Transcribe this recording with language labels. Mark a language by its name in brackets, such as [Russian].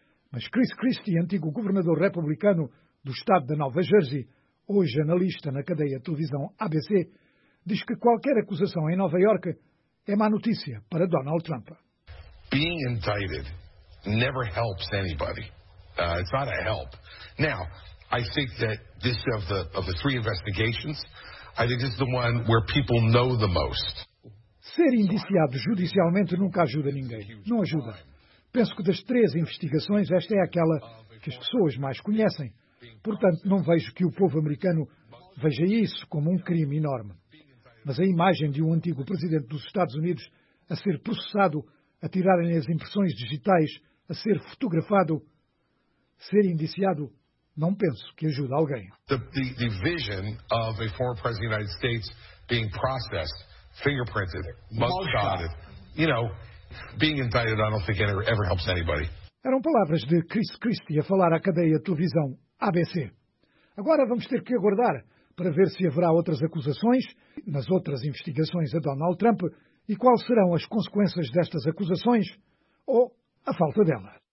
[Portuguese] Mas Chris Christie, antigo governador republicano do estado da Nova Jersey, hoje analista na cadeia de televisão ABC, diz que qualquer acusação em Nova Iorque é má notícia para Donald Trump. [English] Being indicted never helps anybody. It's not a help. Now, I think that this of the three investigations, I think it's the one where people know the most. [Portuguese] Ser indiciado judicialmente nunca ajuda ninguém. Não ajuda. Penso que das três investigações, esta é aquela que as pessoas mais conhecem. Portanto, não vejo que o povo americano veja isso como um crime enorme. Mas a imagem de um antigo presidente dos Estados Unidos a ser processado, a tirarem as impressões digitais, a ser fotografado, ser indiciado, não penso que ajude alguém. [English] The vision of a former president of the United States being processed, fingerprinted, mugshotted, you know, being indicted, I don't think it ever helps anybody. [Portuguese] Eram palavras de Chris Christie a falar à cadeia de televisão ABC. Agora vamos ter que aguardar para ver se haverá outras acusações nas outras investigações a Donald Trump e quais serão as consequências destas acusações ou a falta dela.